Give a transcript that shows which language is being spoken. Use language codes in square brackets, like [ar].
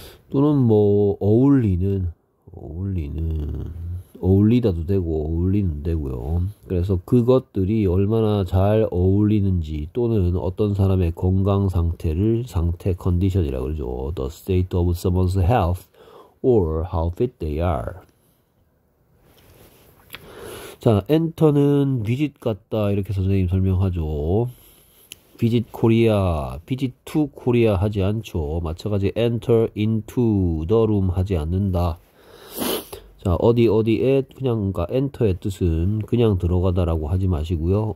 [ko] 또는 뭐 어울리다도 되고 어울리는 되고요. 그래서 그것들이 얼마나 잘 어울리는지 또는 어떤 사람의 건강 상태를 상태 컨디션이라고 그러죠. [en] The state of someone's health or how fit they are. [ko] 자, 엔터는 비짓 같다 이렇게 선생님 설명하죠. [en] 비짓 코리아, 비짓 투 코리아 [ko] 하지 않죠. 마찬가지 [en] 엔터 인투 더룸 [ko] 하지 않는다. 자, 어디 어디에 그냥, 그러니까 엔터의 뜻은 그냥 들어가다라고 하지 마시고요.